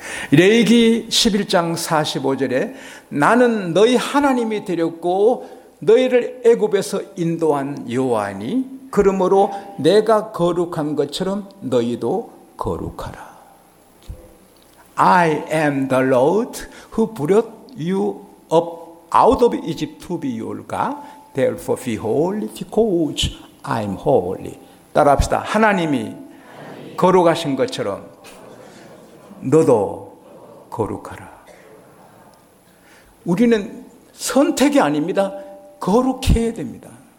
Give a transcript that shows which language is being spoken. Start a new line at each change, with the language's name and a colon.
Korean: 레위기 11장 45절에 나는 너희 하나님이 되었고 너희를 애굽에서 인도한 여호와니 그러므로 내가 거룩한 것처럼 너희도 거룩하라.
English: I am the Lord who brought you up out of Egypt to be your God. Therefore be holy because I am holy.
Korean: 따라합시다. 하나님이 거룩하신 것처럼 너도 거룩하라. 우리는 선택이 아닙니다. 거룩해야 됩니다.